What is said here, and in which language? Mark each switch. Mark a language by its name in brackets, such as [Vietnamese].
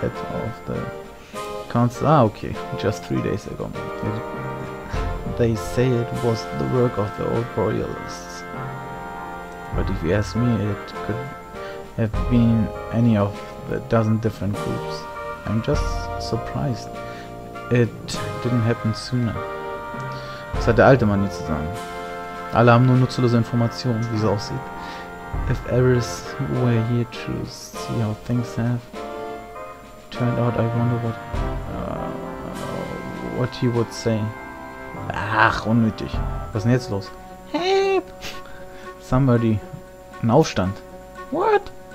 [English] Head of the council. Ah, okay. Just 3 days ago. They say it was the work of the old royalists. But if you ask me, it could have been any of the dozen different groups. I'm just surprised it didn't happen sooner. [German] Was hat der alte Mann jetzt zu sagen? Alle haben nur nutzlose Informationen, wie es aussieht. [English] If errors were here to see how things have turned out, I wonder what he would say. [German] Ach, unnötig. Was ist denn jetzt los? [English] Help! Somebody. [German] Ein Aufstand. What?